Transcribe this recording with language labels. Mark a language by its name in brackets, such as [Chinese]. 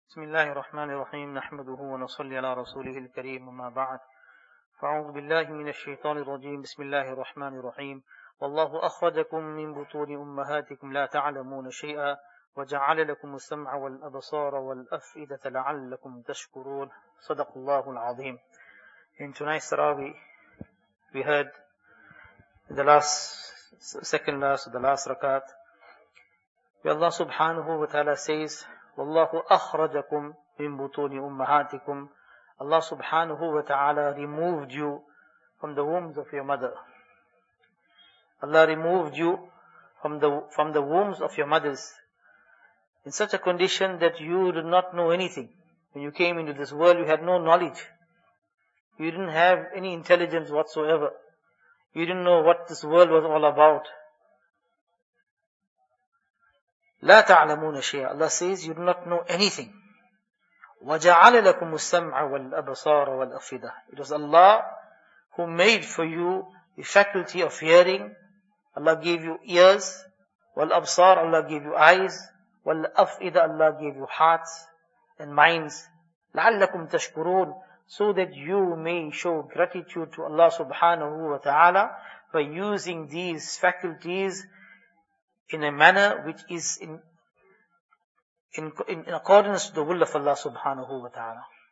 [Arabic] بسم الله الرحمن الرحيم نحمده ونصلي على رسوله الكريم وما بعد فاعوذ بالله من الشيطان الرجيم بسم الله الرحمن الرحيم والله أخرجكم من بطون أمهاتكم لا تعلمون شيئا وجعل لكم السمع والأبصار والأفئدة لعلكم تشكرون صدق الله العظيم. [English] In tonight's Tarawih we heard the second last rakat where Allah subhanahu wa ta'ala says [Arabic] وَاللَّهُ أَخْرَجَكُمْ مِنْ بُطُونِ أُمَّهَاتِكُمْ. [English] Allah subhanahu wa ta'ala removed you from the wombs of your mother. Allah removed you from the wombs of your mothers in such a condition that you did not know anything. When you came into this world, you had no knowledge. You didn't have any intelligence whatsoever. You didn't know what this world was all about. [Arabic] لا تعلمون شيئا. [English] Allah says, you do not know anything. [Arabic] وجعل لكم السمع والأبصار والأفئدة. [English] It was Allah who made for you the faculty of hearing. Allah gave you ears. والأبصار, Allah gave you eyes. والأفئدة, Allah gave you hearts and minds. [Arabic] لعلكم تشكرون. [English] So that you may show gratitude to Allah subhanahu wa ta'ala by using these faculties in a manner which is in accordance to the will of Allah subhanahu wa ta'ala.